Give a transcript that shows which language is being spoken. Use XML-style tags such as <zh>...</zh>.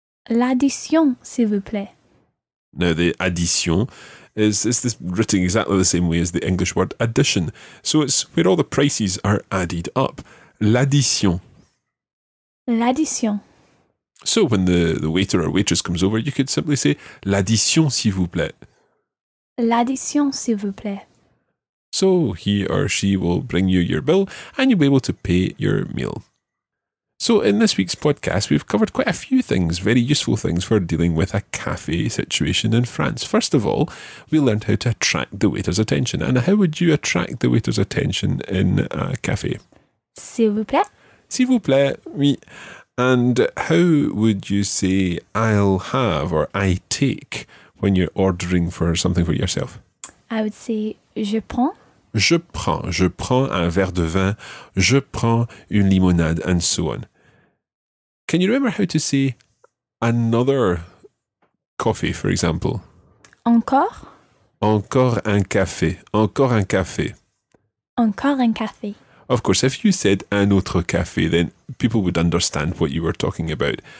<fr>L'addition, s'il vous plaît.</fr> <en>Now, the addition is this written exactly the same way as the English word addition. So it's where all the prices are added up.</en> <fr>L'addition. L'addition.</fr> <en>So when the waiter or waitress comes over, you could simply say,</en> <fr>l'addition, s'il vous plaît. L'addition, s'il vous plaît.</fr> <en>So he or she will bring you your bill and you'll be able to pay your meal. So in this week's podcast, we've covered quite a few things, very useful things for dealing with a cafe situation in France. First of all, we learned how to attract the waiter's attention. Anna, how would you attract the waiter's attention in a cafe?</en> <fr>S'il vous plaît. S'il vous plaît, oui.</fr> <en>And how would you say I'll have or I take when you're ordering for something for yourself? I would say</en> <fr>je prends. Je prends. Je prends un verre de vin. Je prends une limonade,</fr> <en>and so on. Can you remember how to say another coffee, for example?</en> <fr>Encore? Encore un café. Encore un café. Encore un café.</fr> <en>Of course, if you said</en> <fr>un autre café,</fr> <en>then people would understand what you were talking about.</en>